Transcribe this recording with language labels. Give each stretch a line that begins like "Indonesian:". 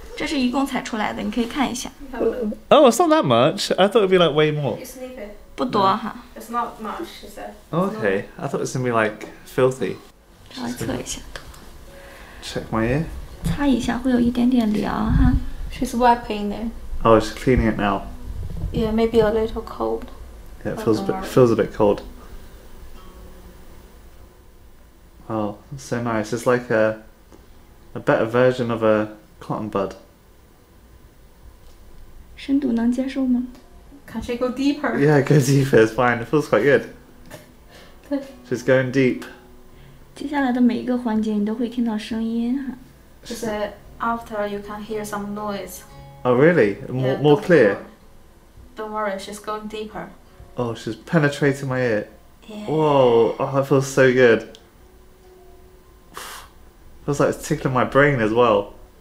Chinese: 这是一共采出来的，你可以看一下。
English: Oh, it's not that much. I thought it would be like way more. You sniff it.
Chinese: 不多哈。
English: It's not much, she said. Oh, okay, I thought it was going to be like filthy.
Chinese: 稍微测一下。
English: Check my ear.
Chinese: 擦一下会有一点点凉哈。
English: She's wiping it. Oh, she's cleaning it now. Yeah, maybe a little cold. Yeah, it feels a bit cold. Oh, so nice. It's like a better version of a cotton bud.
Chinese: 深度能接受吗?
English: Can she go deeper? Yeah, go deeper. It's fine. It feels quite good. She's going deep.
Chinese: 接下来的每一个环节你都会听到声音。
English: She said, after you can hear some noise. Oh, really? More clear? Don't worry, she's going deeper. Oh, she's penetrating my ear. Yeah. Whoa, oh, that feels so good. Feels like it's tickling my brain as well.